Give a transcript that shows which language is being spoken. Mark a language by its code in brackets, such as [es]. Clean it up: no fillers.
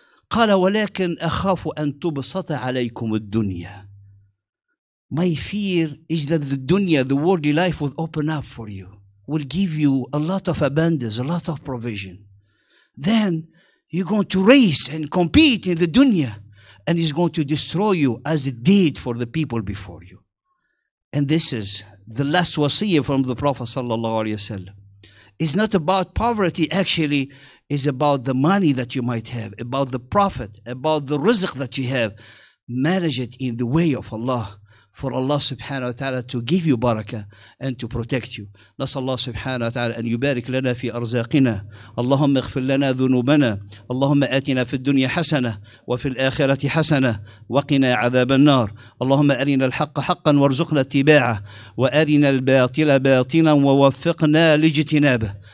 [ar] قَالَ وَلَكِنْ أَخَافُ أَن تُبْسَطَ عَلَيْكُمُ الدُّنْيَا. [en] My fear is that the dunya, the worldly life, will open up for you, will give you a lot of abundance, a lot of provision. Then you're going to race and compete in the dunya, and it's going to destroy you as it did for the people before you. And this is the last wasiyah from the Prophet sallallahu alayhi wa sallam. It's not about poverty, actually. It's about the money that you might have, about the profit, about the rizq that you have. Manage it in the way of Allah. For Allah subhanahu wa ta'ala to give you barakah and to protect you. [ar] نسأل الله سبحانه وتعالى أن يبارك لنا في أرزاقنا. اللهم اغفر لنا ذنوبنا. اللهم آتنا في الدنيا حسنة وفي الآخرة حسنة وقنا عذاب النار. اللهم أرنا الحق حقا وارزقنا اتباعه وأرنا الباطل باطلا ووفقنا لاجتنابه.